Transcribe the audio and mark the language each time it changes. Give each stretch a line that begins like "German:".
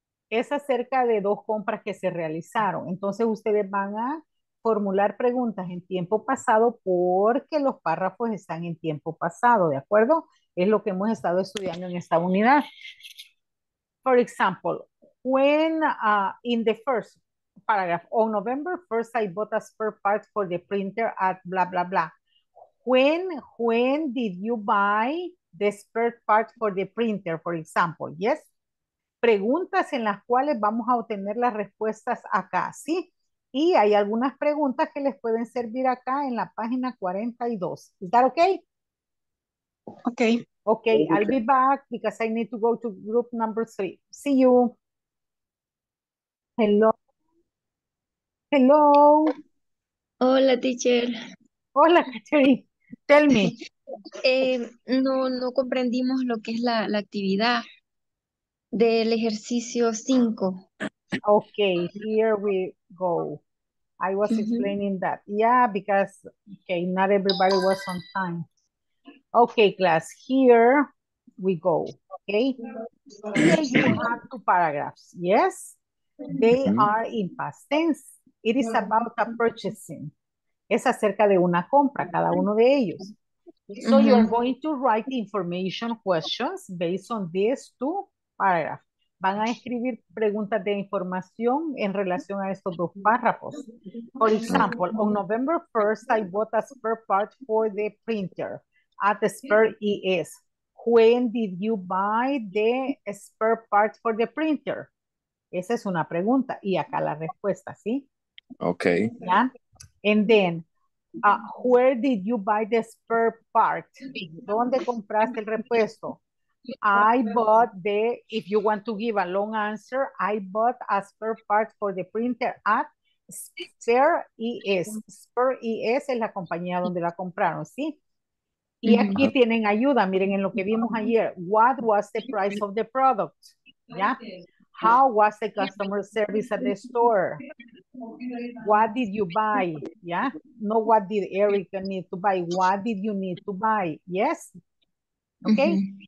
Spanish: Es acerca de dos compras que se realizaron. Entonces, ustedes van a formular preguntas en tiempo pasado porque los párrafos están en tiempo pasado, ¿de acuerdo? Es lo que hemos estado estudiando en esta unidad.
English: For example, when in the first paragraph, on November 1st, I bought a spare part for the printer at blah, blah, blah. When did you buy the spare part for the printer, for example? Yes.
Spanish: Preguntas en las cuales vamos a obtener las respuestas acá, ¿sí? Y hay algunas preguntas que les pueden servir acá en la página 42.
English: Is that okay? Okay. Okay, I'll be back because I need to go to group number 3. See you. Hello. Hello.
Spanish: Hola, teacher.
English: Hola, Katherine. Tell me.
Spanish: No comprendimos lo que es la actividad del ejercicio 5.
English: Okay, here we go. I was explaining that. Yeah, because, okay, not everybody was on time. Okay, class, here we go. Okay. Here you have 2 paragraphs. Yes, they are in past tense. It is about a purchasing.
Spanish: Es acerca de una compra, cada uno de ellos.
English: So you're going to write information questions based on these 2 paragraphs.
Spanish: Van a escribir preguntas de información en relación a estos 2 párrafos.
English: For example, on November 1st, I bought a spare part for the printer at the spare ES. When did you buy the spare part for the printer?
Spanish: Esa es una pregunta. Y acá la respuesta, ¿sí?
English: Okay. Yeah. And then, where did you buy the spare part?
Spanish: ¿Dónde compraste el repuesto?
English: I bought the, if you want to give a long answer, I bought a spare part for the printer at Spare ES.
Spanish: Spare ES es la compañía donde la compraron, ¿sí? Y aquí tienen ayuda, miren en lo que vimos ayer.
English: What was the price of the product? Yeah. How was the customer service at the store? What did you buy? Yeah. No, what did Erica need to buy? What did you need to buy? Yes. Okay.